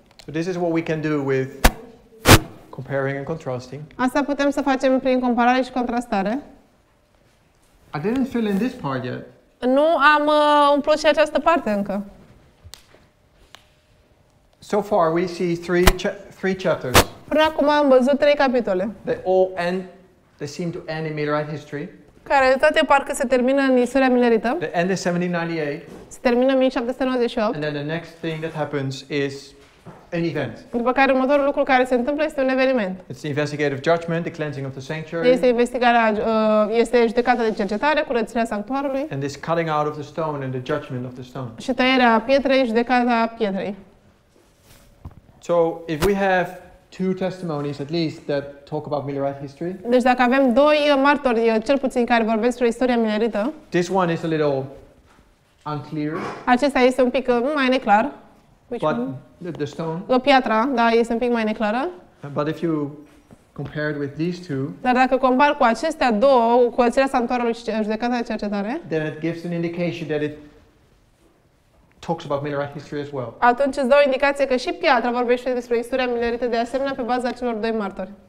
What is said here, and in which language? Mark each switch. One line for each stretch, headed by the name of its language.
English: So this is what we can do with comparing and contrasting.
Romanian: Asta putem să facem prin comparare și contrastare.
English: I didn't fill in this part yet.
Romanian: Nu am umplut și această parte încă.
English: So far we see three chapters.
Romanian: Până acum am văzut trei capitole.
English: They seem to end in Millerite history.
Romanian: Care toate parcă se termină în istoria Millerită.
English: The end is 1798.
Romanian: Se termină în 1798.
English: And then the next thing that happens is an event.
Romanian: După care următorul lucru care se întâmplă este un eveniment.
English: It's the investigative judgment, the cleansing of the sanctuary.
Romanian: Este investigarea, este judecata de cercetare, curățirea sanctuarului.
English: And this cutting out of the stone and the judgment of the stone.
Romanian: Și tăierea pietrei, judecata pietrei.
English: So, if we have two testimonies at least that talk about Millerite history.
Romanian: Deci dacă avem doi martori cel puțin care vorbesc despre istoria Millerită.
English: This one is a little unclear.
Romanian: Acesta este un pic mai neclar.
English: But the stone.
Romanian: O piatra, da, este un pic mai neclară.
English: But if you compare it with these two.
Romanian: Dar dacă compar cu acestea două, cu curățirea sanctuarului și judecata de cercetare.
English: Then it gives an indication that it talks about Millerite history as well.
Romanian: Atunci îți dau o indicație că și piatra vorbește despre istoria Millerită de asemenea pe baza celor doi martori.